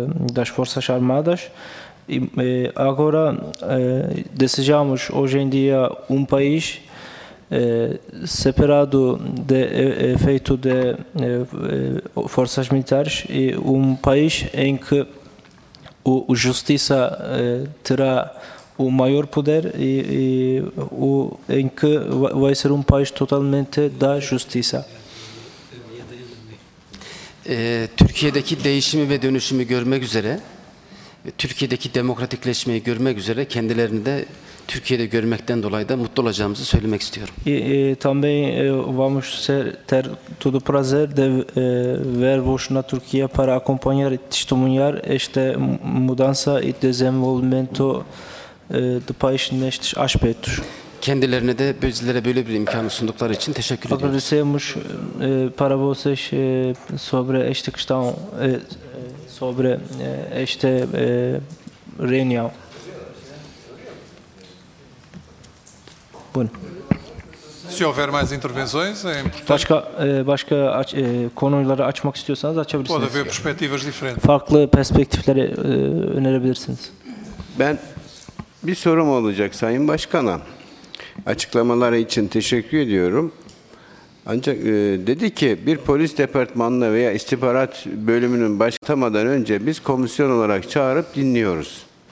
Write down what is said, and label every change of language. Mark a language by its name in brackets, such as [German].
[Portuguese] das forças armadas e agora desejamos hoje em dia um país separado de efeito de forças militares e um país em que a justiça terá o maior poder e em que vai ser um país totalmente da justiça. [Turkish] Türkiye'deki değişimi ve dönüşümü görmek üzere, Türkiye'deki demokratikleşmeyi görmek üzere kendilerini de Türkiye'de görmekten dolayı da mutlu olacağımızı söylemek istiyorum. [Portuguese] Também vamos ter todo o prazer de ver-vos na Turquia para acompanhar e testemunhar esta mudança e desenvolvimento do país nestes aspectos. [Turkish] Kendilerine de bizlere böyle bir imkanı sundukları için teşekkür ediyorum. [Portuguese] Agradecemos para vocês sobre esta questão, sobre este reunião. Se houver mais intervenções, é importante. [Turkish] Başka konuları açmak istiyorsanız açabilirsiniz. [Portuguese] Pode haver perspectivas diferentes. [Turkish] Farklı perspektifleri önerebilirsiniz. Ben bir sorum olacak Sayın Başkan'a. Açıklamaları için teşekkür ediyorum. Ancak dedi ki bir polis departmanına veya istihbarat bölümünün başlamadan önce biz komisyon olarak çağırıp dinliyoruz.